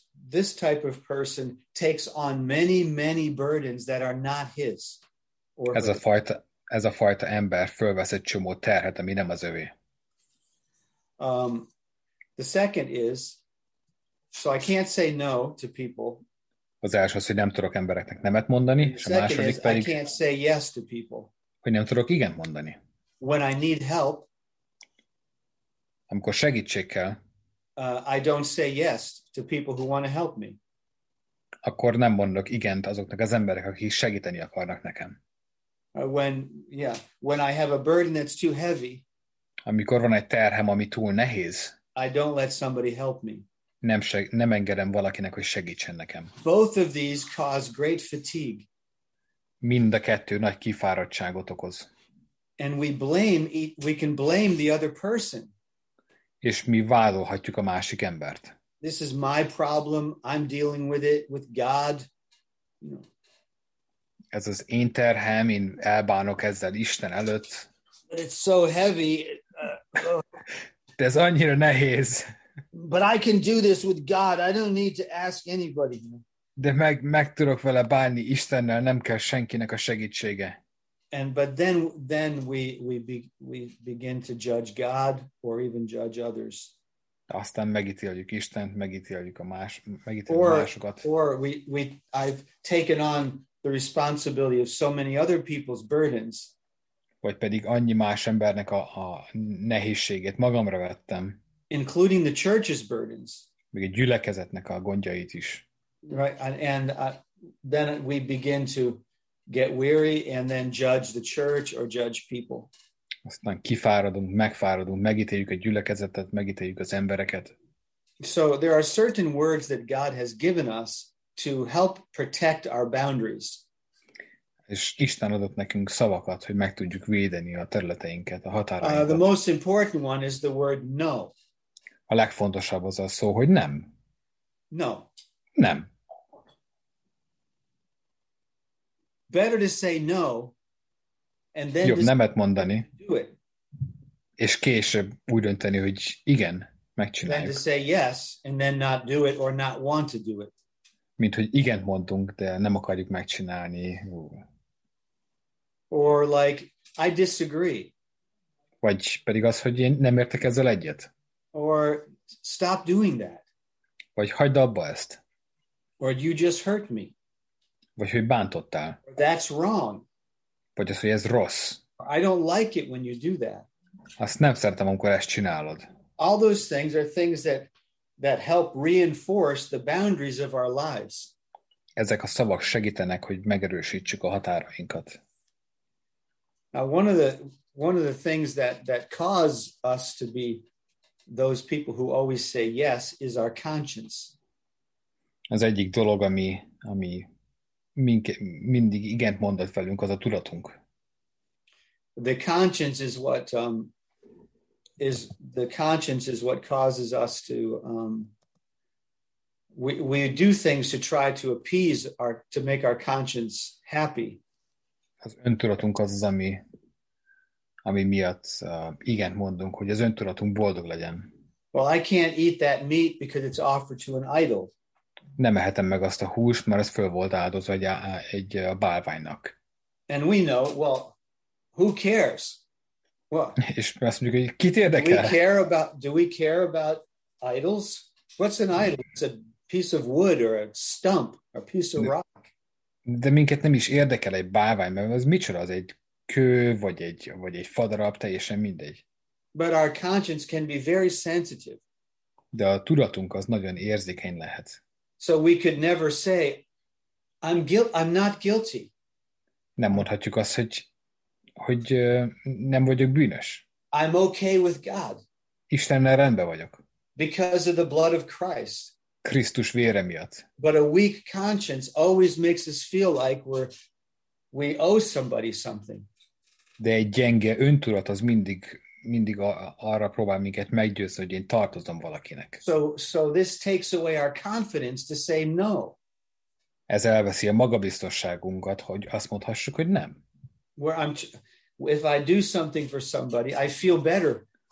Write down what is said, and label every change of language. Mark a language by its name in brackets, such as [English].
[English] This type of person takes on many, many burdens that are not his. [Hungarian] Ez a fajta ember fölvesz egy csomó terhet, ami nem az övé. [English] The second is, so I can't say no to people. [Hungarian] Az első az, hogy nem tudok embereknek nemet mondani, és a második pedig, [English] I can't say yes to people. [Hungarian] Hogy nem tudok igen mondani. [English] When I need help, [Hungarian] amikor segítség kell, [English] I don't say yes to people who want to help me. [Hungarian] Akkor nem mondok igent azoknak az emberek, akik segíteni akarnak nekem. [English] When I have a burden that's too heavy, [Hungarian] amikor van egy terhem, ami túl nehéz, [English] I don't let somebody help me. [Hungarian] Nem engedem valakinek, hogy segítsen nekem. [English] Both of these cause great fatigue. [Hungarian] Mind a kettő nagy kifáradtságot okoz. [English] And we can blame the other person. [Hungarian] És mi vádolhatjuk a másik embert. [English] This is my problem. I'm dealing with it with God. No. [Hungarian] Ez az én terhem, én elbánok ezzel Isten előtt. [English] But it's so heavy. [Hungarian] De ez annyira nehéz. [English] But I can do this with God. I don't need to ask anybody. [Hungarian] De meg tudok vele bánni Istennel, nem kell senkinek a segítsége. [English] And but then we begin to judge God or even judge others. [Hungarian] Aztán megítéljük Istent, megítéljük másokat. [English] I've taken on the responsibility of so many other people's burdens. [Hungarian] Vagy pedig annyi más embernek a nehézségét magamra vettem. [English] Including the church's burdens. [Hungarian] Még a gyülekezetnek a gondjait is. [English] Right, and then we begin to get weary and then judge the church or judge people. [Hungarian] Aztán kifáradunk, megfáradunk, megítéljük a gyülekezetet, megítéljük az embereket. [English] So there are certain words that God has given us to help protect our boundaries. [Hungarian] És Isten adott nekünk szavakat, hogy meg tudjuk védeni a területeinket, a határainkat. [English] The most important one is the word no. [Hungarian] A legfontosabb az a szó, hogy nem. [English] No. [Hungarian] Nem. [English] Better to say no, and then [Hungarian] jobb nemet mondani, [English] do it. [Hungarian] És később úgy dönteni, hogy igen, megcsináljuk. [English] Than to say yes, and then not do it, or not want to do it. [Hungarian] Mint hogy igen mondunk, de nem akarjuk megcsinálni. [English] Or like, I disagree. [Hungarian] Vagy pedig az, hogy én nem értek ezzel egyet. [English] Or stop doing that. [Hungarian] Vagy hagyd abba ezt. [English] Or you just hurt me. [Hungarian] Vagy hogy bántottál. [English] That's wrong. [Hungarian] Vagy az, hogy ez rossz. [English] I don't like it when you do that. [Hungarian] Azt nem szeretem, amikor ezt csinálod. [English] All those things are things that help reinforce the boundaries of our lives. [Hungarian] Ezek a szavak segítenek, hogy megerősítsük a határainkat. [English] Now one of the things that cause us to be those people who always say yes is our conscience. [Hungarian] Az egyik dolog, ami mindig igent mondott velünk, az a tudatunk. [English] The conscience is what causes us to we do things to try to appease our to make our conscience happy. [Hungarian] Az öntudatunk az, ami miatt igent mondunk, hogy az öntudatunk boldog legyen. [English] Well, I can't eat that meat because it's offered to an idol. [Hungarian] Nem ehetem meg azt a húst, mert az föl volt áldozva egy bálványnak. [English] And we know, well, who cares? [Hungarian] És azt mondjuk, hogy kit érdekel? [English] Do we care about idols? What's an idol? It's a piece of wood or a stump or a piece of rock. [Hungarian] De minket nem is érdekel egy bálvány, mert az micsoda, az egy kő vagy egy fadarab, teljesen mindegy. [English] But our conscience can be very sensitive. [Hungarian] De a tudatunk az nagyon érzékeny lehet. [English] So we could never say, I'm not guilty. [Hungarian] nem mondhatjuk azt, hogy nem vagyok bűnös. [English] I'm okay with God. [Hungarian] Istennel rendben vagyok. [English] Because of the blood of Christ. [Hungarian] Krisztus vére miatt. [English] But a weak conscience always makes us feel like we owe somebody something. [Hungarian] De egy gyenge öntudat az mindig arra próbál minket meggyőzni, hogy én tartozom valakinek. [English] So this takes away our confidence to say no. [Hungarian] Ez elveszi a magabiztosságunkat, hogy azt mondhassuk, hogy nem. [English] Where I'm if I do something for somebody, I feel better.